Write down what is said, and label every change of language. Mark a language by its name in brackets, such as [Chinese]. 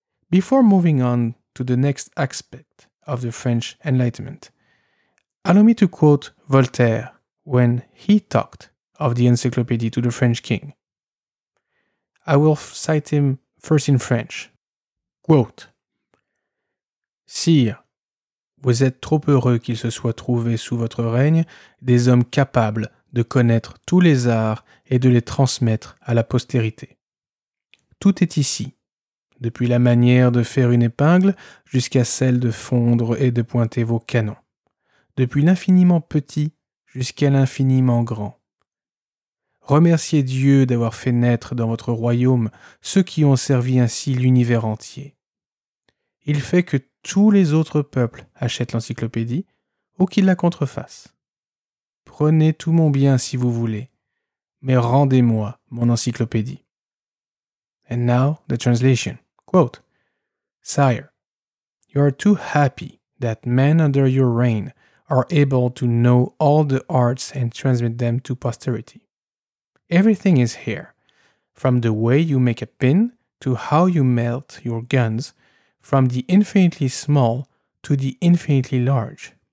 [English] Before moving on to the next aspect of the French Enlightenment, allow me to quote Voltaire when he talked of the Encyclopédie to the French king. I will cite him first in French. [French] Quote: Sire, vous êtes trop heureux qu'il se soit trouvé sous votre règne des hommes capables de connaître tous les arts et de les transmettre à la postérité. Tout est ici, depuis la manière de faire une épingle jusqu'à celle de fondre et de pointer vos canons. Depuis l'infiniment petit jusqu'à l'infiniment grand. Remerciez Dieu d'avoir fait naître dans votre royaume ceux qui ont servi ainsi l'univers entier. Il fait que tous les autres peuples achètent l'encyclopédie ou qu'ils la contrefassent. Prenez tout mon bien si vous voulez, mais rendez-moi mon encyclopédie. [English] And now the translation. Quote: Sire, you are too happy that men under your reign are able to know all the arts and transmit them to posterity. Everything is here, from the way you make a pin to how you melt your guns, from the infinitely small to the infinitely large.